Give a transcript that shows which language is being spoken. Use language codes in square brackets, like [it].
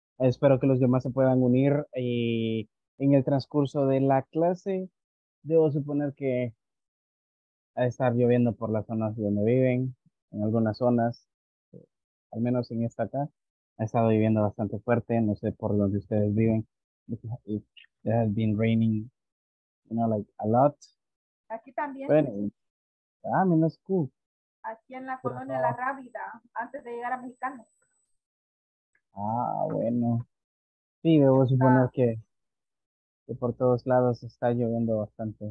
[es] Espero que los demás se puedan unir en el transcurso de la clase. Debo suponer que va a estar lloviendo por las zonas donde viven, en algunas zonas, al menos en esta acá. Ha estado lloviendo bastante fuerte. No sé por dónde ustedes viven. [en] It has been raining, you know, like a lot. [es] Aquí también. [en] But anyway, I mean, that's cool. [es] Aquí en la colonia La Rábida, antes de llegar a Mexicano. Ah, bueno. Sí, debo suponer que por todos lados está lloviendo bastante,